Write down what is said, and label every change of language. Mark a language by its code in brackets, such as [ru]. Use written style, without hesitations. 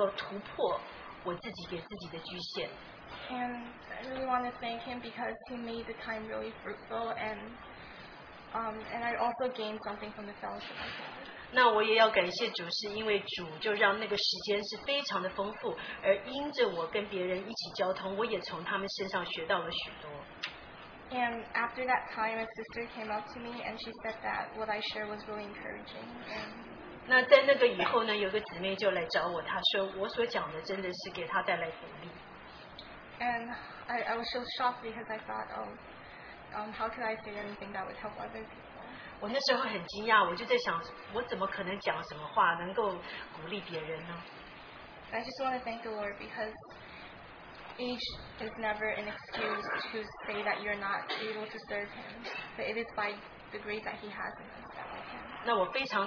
[zh] 那我就很感谢主给我这个机会，让我星期六能够有机会来经历在我里面那个能力，所以我能够有这样的机会，能够突破我自己给自己的局限。 [en] And I really want to thank him because he made the time really fruitful, and I also gained something from the fellowship. [zh] 那我也要感谢主，是因为主就让那个时间是非常的丰富，而因着我跟别人一起交通，我也从他们身上学到了许多。 [en] And after that time, my sister came up to me and she said that what I shared was really encouraging. [zh] 那在那个以后呢，有个姊妹就来找我，她说我所讲的真的是给她带来鼓励。 [en] And I was so shocked because I thought, how could I say anything that would help other people? [zh] 我那时候很惊讶，我就在想，我怎么可能讲什么话能够鼓励别人呢？ [en] I just want to thank the Lord because age is never an excuse to say that you're not able to serve Him, but it is by the grace that He has in us.